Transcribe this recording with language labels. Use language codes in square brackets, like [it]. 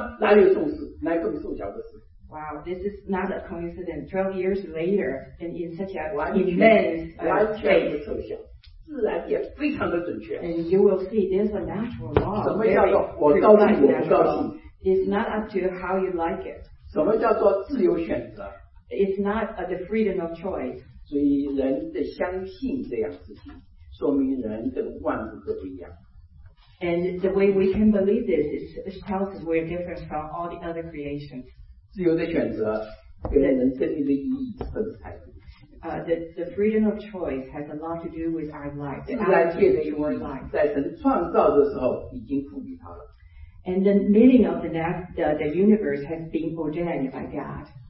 [zh] 你说巧不巧，太空这么大，你在这里在12年以前嘣嘣的火箭出去，12年之后就跑到这个地方，哪里有这种事，哪有这么凑巧的事？ [en] Wow, this is not a coincidence. 12 years later, and in such a immense space. [zh] 自然也非常的准确。 [en] And you will see there's a natural law. [zh] 什么叫做我高兴我不高兴？ [en] It's not up to how you like it. [zh] 什么叫做自由选择？ [en] It's not the freedom of choice. [zh] 所以人的相信这样事情，说明人跟万物都不一样。 [en] And the way we can believe this is tells us we're different from all the other creations. [zh] 自由的选择，给人生命的意义，甚至态度。 [en] The freedom of choice has a lot to do with our life. [zh] 自然界的一个意义，在神创造的时候已经赋予它了。 [en] And the meaning of the universe has been ordained by God.